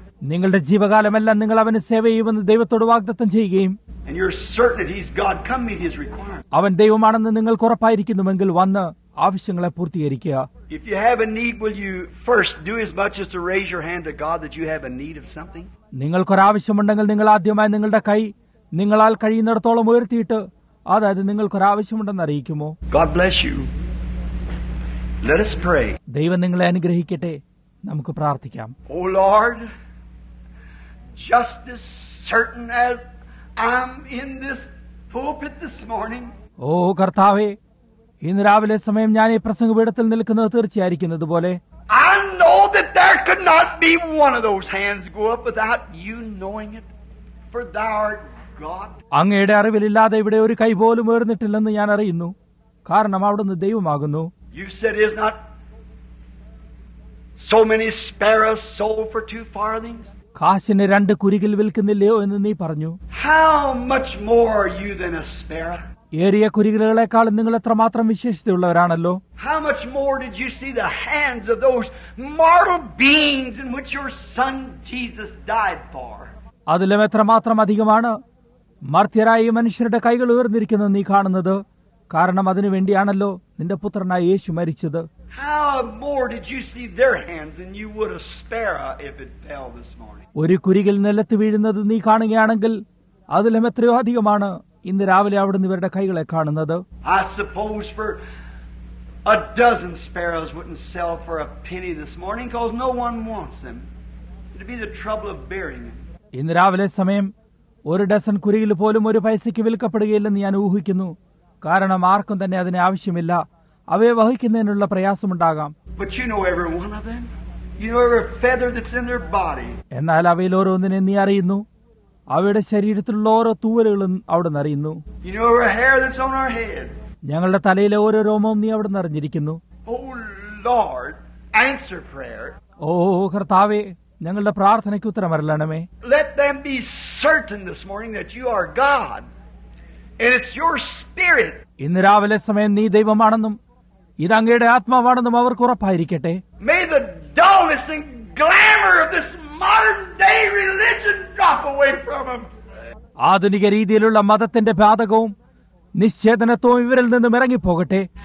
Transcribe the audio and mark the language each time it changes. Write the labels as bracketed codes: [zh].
[ml] നിങ്ങളുടെ ജീവകാലമെല്ലാം നിങ്ങൾ അവന് സേവ ചെയ്യുമെന്ന് ദൈവത്തോട് വാഗ്ദത്തം ചെയ്യുകയും [en] And you're certain that he's God, come meet his requirements. [ml] അവൻ ദൈവമാണെന്ന് നിങ്ങൾക്ക് ഉറപ്പായിരിക്കുന്നുവെങ്കിൽ വന്ന് ആവശ്യങ്ങളെ പൂർത്തീകരിക്കുക. [en] If you have a need, will you first do as much as to raise your hand to God that you have a need of something? [ml] നിങ്ങൾക്ക് ഒരു ആവശ്യമുണ്ടെങ്കിൽ നിങ്ങൾ ആദ്യമായി നിങ്ങളുടെ കൈ നിങ്ങളാൽ കഴിയുന്നിടത്തോളം ഉയർത്തിയിട്ട് അതായത് നിങ്ങൾക്ക് ഒരു ആവശ്യമുണ്ടെന്ന് അറിയിക്കുമോ? [en] God bless you. Let us pray. [ml] ദൈവം നിങ്ങളെ അനുഗ്രഹിക്കട്ടെ. നമുക്ക് പ്രാർത്ഥിക്കാം. [en] Oh Lord, just as certain as I'm in this pulpit this morning. [ml] ഓ കർത്താവെ, ഇന്ന് രാവിലെ സമയം ഞാൻ ഈ പ്രസംഗപീഠത്തിൽ നിൽക്കുന്നത് തീർച്ചയായിരിക്കുന്നത് പോലെ. [en] I know that there could not be one of those hands go up without you knowing it, for thou art God. [ml] അങ്ങയുടെ അറിവില്ലാതെ ഇവിടെ ഒരു കൈ പോലും ഉയർന്നിട്ടില്ലെന്ന് ഞാൻ അറിയുന്നു, കാരണം അവിടുന്ന് ദൈവമാകുന്നു. [en] You said is not so many sparrows sold for two farthings. [ml] കാശിന് രണ്ട് കുരുകിൽ വിൽക്കുന്നില്ലയോ എന്ന് നീ പറഞ്ഞു. [en] How much more are you than a sparrow? [ml] ഏറിയ കുരുകളെക്കാളും നിങ്ങൾ എത്രമാത്രം വിശേഷതയുള്ളവരാണല്ലോ. [en] How much more did you see the hands of those mortal beings in which your son Jesus died for? [ml] അതിലും എത്രമാത്രം അധികമാണ് മർത്യരായ മനുഷ്യരുടെ കൈകൾ ഉയർന്നിരിക്കുന്നത് നീ കാണുന്നത്. കാരണം അതിനുവേണ്ടിയാണല്ലോ നിന്റെ പുത്രനായ യേശു മരിച്ചത്. [en] How more did you see their hands and you would have spared if it fell this morning. [ml] ഒരു കുരികിൽ നിലത്ത് വീഴുന്നത് നീ കാണുകയാണെങ്കിൽ അതിലും എത്രയോ അധികമാണ് ഇന്ന് രാവിലെ അവിടുന്ന് ഇവരുടെ കൈകളെ കാണുന്നത്. [en] I suppose for a dozen sparrows wouldn't sell for a penny this morning because no one wants them. It'd be the trouble of burying them. [ml] ഇന്ന് രാവിലെ സമയം ഒരു ഡസൻ കുരികിൽ പോലും ഒരു പൈസയ്ക്ക് വിൽക്കപ്പെടുകയില്ലെന്ന് ഞാൻ ഊഹിക്കുന്നു. കാരണം ആർക്കും തന്നെ അതിന് ആവശ്യമില്ല. അവയെ വഹിക്കുന്നതിനുള്ള പ്രയാസമുണ്ടാകാം. [en] But you know every one of them. You know every feather that's in their body. [ml] എന്നാൽ അവയിൽ ഓരോന്നിനെ നീ അറിയുന്നു. അവയുടെ ശരീരത്തിലുള്ള ഓരോ തൂവലുകളും അവിടെ നിന്ന് അറിയുന്നു. [en] You know every hair that's on our head. [ml] ഞങ്ങളുടെ തലയിലെ ഓരോ രോമവും നീ അവിടെ നിന്ന് അറിഞ്ഞിരിക്കുന്നു. [en] Oh Lord, answer prayer. [ml] ഓ കർത്താവേ, ഞങ്ങളുടെ പ്രാർത്ഥനയ്ക്ക് ഉത്തരമരുളണമേ. [en] Let them be certain this morning that you are God. And it's your spirit. [ml] ഇന്ന് രാവിലെ സമയം നീ ദൈവമാണെന്നും ഇത് അങ്ങയുടെ ആത്മാവാണെന്നും അവർക്ക് ഉറപ്പായിരിക്കട്ടെ. [en] May the dullness and glamour of this modern day religion drop away from them. [ml] ആധുനിക രീതിയിലുള്ള മതത്തിന്റെ പാതകവും നിശ്ചേതനത്വവും ഇവരിൽ നിന്നും ഇറങ്ങിപ്പോകട്ടെ.